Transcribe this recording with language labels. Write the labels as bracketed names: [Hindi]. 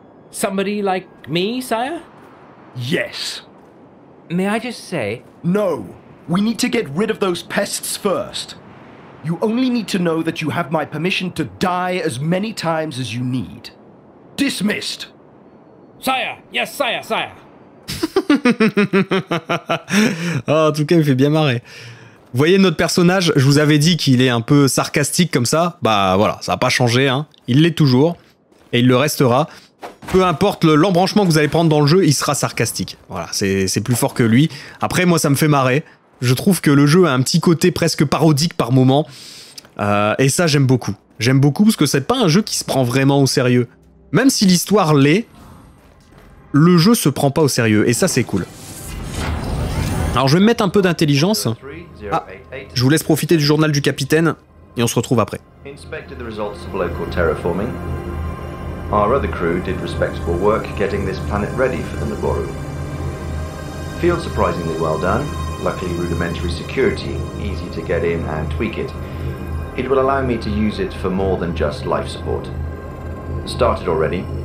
[English] Somebody like me, sire? Yes. May I just say... No. We need to get rid of those pests first. You only need to know that you have my permission to die as many times as you need. Dismissed! Sire! Yes, sire, sire! [French] Oh, en tout cas, il me fait bien marrer. Vous voyez notre personnage, je vous avais dit qu'il est un peu sarcastique comme ça. Bah voilà, ça n'a pas changé, hein. Il l'est toujours. Et il le restera. Peu importe l'embranchement que vous allez prendre dans le jeu, il sera sarcastique. Voilà, c'est plus fort que lui. Après, moi, ça me fait marrer. Je trouve que le jeu a un petit côté presque parodique par moment. Et ça, j'aime beaucoup. J'aime beaucoup parce que c'est pas un jeu qui se prend vraiment au sérieux. Même si l'histoire l'est, le jeu se prend pas au sérieux. Et ça, c'est cool. Alors, je vais me mettre un peu d'intelligence. Ah, je vous laisse profiter du journal du capitaine et on se retrouve après. [English] Inspected the results of local terraforming. Our other crew did respectable work getting this planet ready for the Naboru. Field surprisingly well done. Luckily rudimentary security, easy to get in and tweak it. It will allow me to use it for more than just life support. Started already.